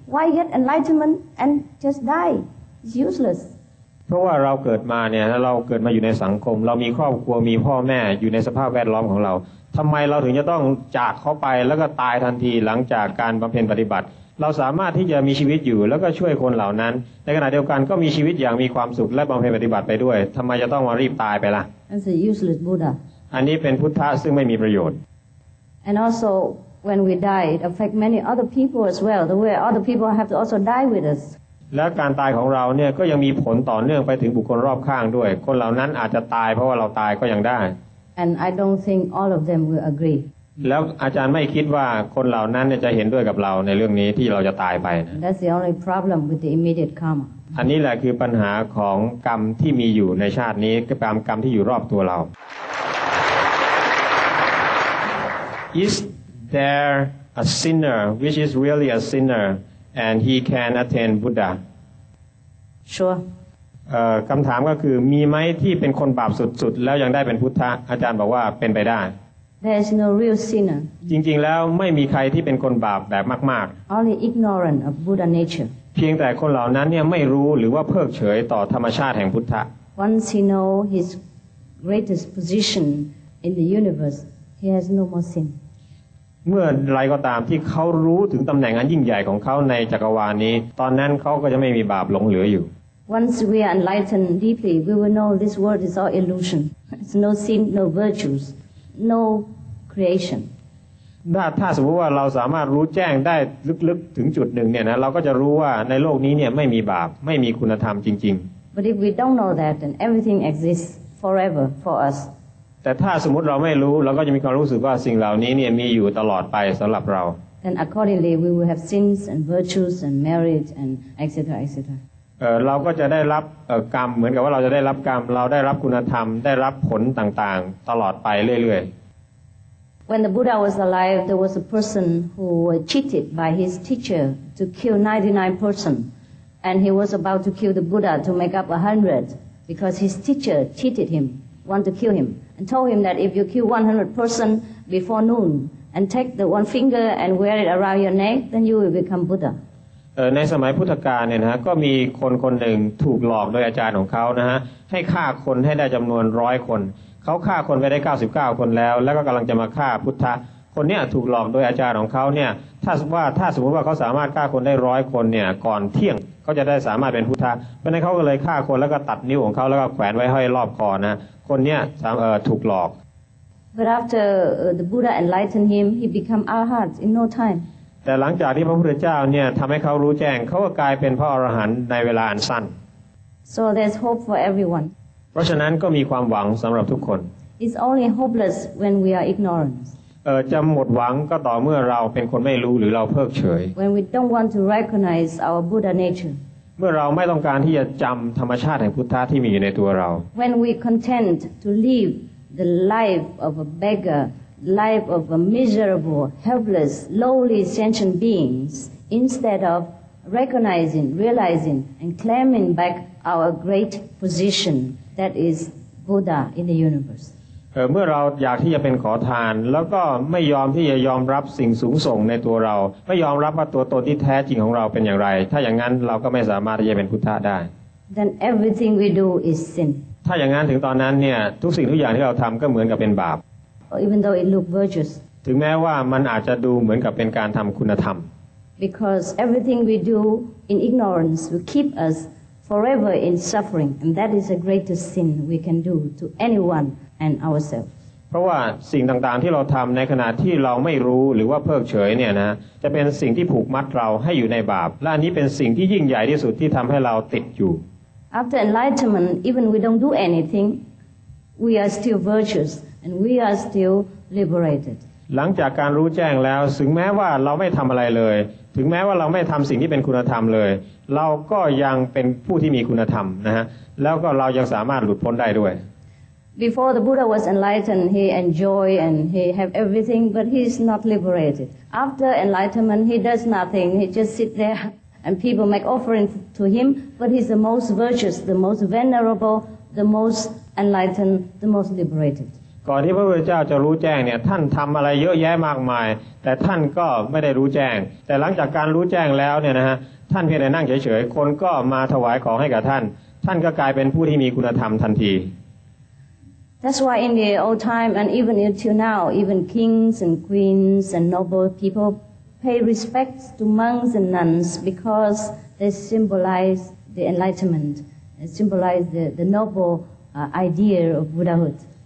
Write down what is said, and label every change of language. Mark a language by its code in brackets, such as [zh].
[en] Why get enlightenment and just die? It's useless. [th] เพราะว่าเราเกิดมาเนี่ยเราเกิดมาอยู่ในสังคมเรามีครอบครัวมีพ่อแม่อยู่ในสภาพแวดล้อมของเราทำไมเราถึงจะต้องจากเขาไปแล้วก็ตายทันทีหลังจากการบำเพ็ญปฏิบัติเราสามารถที่จะมีชีวิตอยู่แล้วก็ช่วยคนเหล่านั้นในขณะเดียวกันก็มีชีวิตอย่างมีความสุขและบำเพ็ญปฏิบัติไปด้วยทำไมจะต้องมารีบตายไปล่ะ [en] That's a useless Buddha [th] อันนี้เป็นพุทธะซึ่งไม่มีประโยชน์ [en] And also when we die it affect many other people as well the way other people have to also die with us [th] และการตายของเราเนี่ยก็ยังมีผลต่อเนื่องไปถึงบุคคลรอบข้างด้วยคนเหล่านั้นอาจจะตายเพราะว่าเราตายก็ยังได้ [en] And I don't think all of them will agree [th] แล้วอาจารย์ไม่คิดว่าคนเหล่านั้นเนี่ยจะเห็นด้วยกับเราในเรื่องนี้ที่เราจะตายไป [en] That's the only problem with the immediate karma [th] อันนี้แหละคือปัญหาของกรรมที่มีอยู่ในชาตินี้กับกรรมที่อยู่รอบตัวเรา [en] Is there a sinner which is really a sinnerAnd he can attain Buddha. Sure. [th] คำถามก็คือมีไหมที่เป็นคนบาปสุดๆแล้วยังได้เป็นพุทธะอาจารย์บอกว่าเป็นไปได้ [en] There's no real sinner. [th] จริงๆแล้วไม่มีใครที่เป็นคนบาปแบบมาก [en] ๆ Only ignorant of Buddha nature. [th] เพียงแต่คนเหล่านั้นเนี่ยไม่รู้หรือว่าเพิกเฉยต่อธรรมชาติแห่งพุทธะ [en] Once he know his greatest position in the universe, he has no more sin. [th] เมื่อไรก็ตามที่เขารู้ถึงตำแหน่งอันยิ่งใหญ่ของเขาในจักรวาลนี้ตอนนั้นเขาก็จะไม่มีบาปหลงเหลืออยู่ [en] Once we are enlightened deeply, we will know this world is all illusion. It's no sin, no virtues, no creation. [th] ถ้าสมมติว่าเราสามารถรู้แจ้งได้ลึกๆถึงจุดหนึ่งเนี่ยนะเราก็จะรู้ว่าในโลกนี้เนี่ยไม่มีบาปไม่มีคุณธรรมจริง [en] ๆ But if we don't know that, then everything exists forever for us. [th] แต่ถ้าสมมติเราไม่รู้เราก็จะมีความรู้สึกว่าสิ่งเหล่านี้เนี่ยมีอยู่ตลอดไปสำหรับเรา [en] Then accordingly we will have sins and virtues and merit and etc etc [th] เราก็จะได้รับกรรมเหมือนกับว่าเราจะได้รับกรรมเราได้รับคุณธรรมได้รับผลต่างๆตลอดไปเรื่อย [en] ๆ When the Buddha was alive there was a person who was cheated by his teacher to kill 99 person and he was about to kill the Buddha to make up 100 because his teacher cheated him want to kill himAnd told him that if you kill 100 person before noon and take the one finger and wear it around your neck, then you will become Buddha. [th] ในสมัยพุทธกาลเนี่ยนะก็มีคนคนหนึ่งถูกหลอกโดยอาจารย์ของเขานะฮะให้ฆ่าคนให้ได้จำนวน100คนเขาฆ่าคนไปได้99คนแล้วแล้วก็กำลังจะมาฆ่าพุทธะคนเนี้ยถูกหลอกโดยอาจารย์ของเขาเนี่ยถ้าสมมติว่าเขาสามารถฆ่าคนได้100คนเนี่ยก่อนเที่ยงเขาจะได้สามารถเป็นพุทธะเพราะนั้นเขาก็เลยฆ่าคนแล้วก็ตัดนิ้วของเขาแล้วก็แขวนไว้ห้อยรอบคอนะคนเนี้ยถูกหลอก [en] But after the Buddha enlightened him, he became arahant in no time. [th] แต่หลังจากที่พระพุทธเจ้าเนี่ยทำให้เขารู้แจ้งเขาก็กลายเป็นพระอรหันต์ในเวลาอันสั้น [en] So there's hope for everyone. [th] เพราะฉะนั้นก็มีความหวังสำหรับทุกคน [en] It's only hopeless when we are ignorant. [th] จะหมดหวังก็ต่อเมื่อเราเป็นคนไม่รู้หรือเราเพิกเฉย [en] When we don't want to recognize our Buddha nature. [th] เมื่อเราไม่ต้องการที่จะจำธรรมชาติแห่งพุทธะที่มีอยู่ในตัวเรา [en] When we content to live the life of a beggar, life of a miserable, helpless, lowly sentient beings, instead of recognizing, realizing, and claiming back our great position that is Buddha in the universe. [th] เมื่อเราอยากที่จะเป็นขอทานแล้วก็ไม่ยอมที่จะยอมรับสิ่งสูงส่งในตัวเราไม่ยอมรับว่าตัวตนที่แท้จริงของเราเป็นอย่างไรถ้าอย่างนั้นเราก็ไม่สามารถที่จะเป็นพุทธะได้ [en] Then everything we do is sin [th] ถ้าอย่างนั้นถึงตอนนั้นเนี่ยทุกสิ่งทุกอย่างที่เราทำก็เหมือนกับเป็นบาป [en] Even though it look virtuous [th] ถึงแม้ว่ามันอาจจะดูเหมือนกับเป็นการทำคุณธรรม [en] Because everything we do in ignorance will keep us forever in suffering and that is the greatest sin we can do to anyoneAnd ourselves. [th] เพราะว่าสิ่งต่างๆที่เราทำในขณะที่เราไม่รู้หรือว่าเพิกเฉยเนี่ยนะจะเป็นสิ่งที่ผูกมัดเราให้อยู่ในบาปและอันนี้เป็นสิ่งที่ยิ่งใหญ่ที่สุดที่ทำให้เราติดอยู่ [en] After enlightenment, even we don't do anything, we are still virtuous and we are still liberated. [th] หลังจากการรู้แจ้งแล้วถึงแม้ว่าเราไม่ทำอะไรเลยถึงแม้ว่าเราไม่ทำสิ่งที่เป็นคุณธรรมเลยเราก็ยังเป็นผู้ที่มีคุณธรรมนะฮะแล้วก็เรายังสามารถหลุดพ้นได้ด้วย [en] Before the Buddha was enlightened, he enjoy and he have everything, but he is not liberated. After enlightenment, he does nothing. He just sit there, and people make offerings to him. But he's the most virtuous, the most venerable, the most enlightened, the most liberated. [th] ก่อนที่พระพุทธเจ้าจะรู้แจ้งเนี่ยท่านทำอะไรเยอะแยะมากมายแต่ท่านก็ไม่ได้รู้แจ้งแต่หลังจากการรู้แจ้งแล้วเนี่ยนะฮะท่านเพียงแต่นั่งเฉยๆคนก็มาถวายของให้กับท่านท่านก็กลายเป็นผู้ที่มีคุณธรรมทันที [en] That's why in the old time and even until now, even kings and queens and noble people pay respect to monks and nuns because they symbolize the enlightenment, they symbolize the noble idea of Buddhahood.